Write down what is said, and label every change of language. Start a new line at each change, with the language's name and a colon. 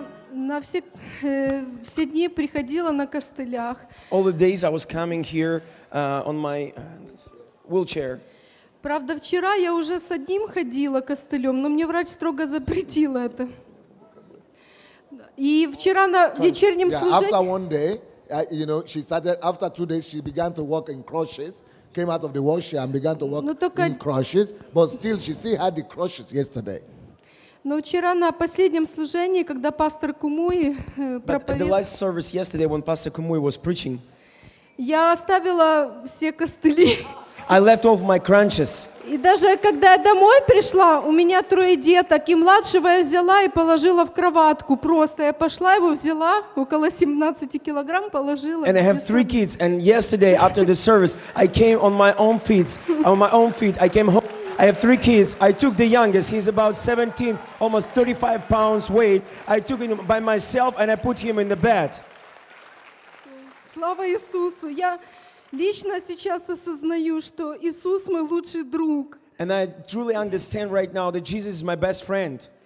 Russian: Она все все дни приходила на костылях.
English: All the days I was coming here on my wheelchair.
Russian: Правда, вчера я уже с одним ходила костылем, но мне врач строго запретил это. И вчера на вечернем служении.
English: After one day, you know, she started. After 2 days, she began to walk in crutches. Came out of the washer and began to walk in crutches. But still, she still had the crutches yesterday.
Russian: Но вчера на последнем служении, когда пастор Кумуи проповедовал.
English: At the last service yesterday, when Pastor Kumuyi was preaching.
Russian: Я оставила все костыли.
English: I left off my crutches.
Russian: И даже когда я домой пришла, у меня трое деток, и младшего я взяла и положила в кроватку. Просто я пошла его взяла, около 17 килограмм положила.
English: And I have three kids. And yesterday after the service, I came on my own feet. On my own feet, I came home. I have three kids. I took the youngest. He's about 17, almost 35 pounds weight. I took him by myself and I put him in the bed.
Russian: Слава Иисусу. Я лично сейчас осознаю, что Иисус мой лучший друг.
English: And I truly understand right now that Jesus is my best friend.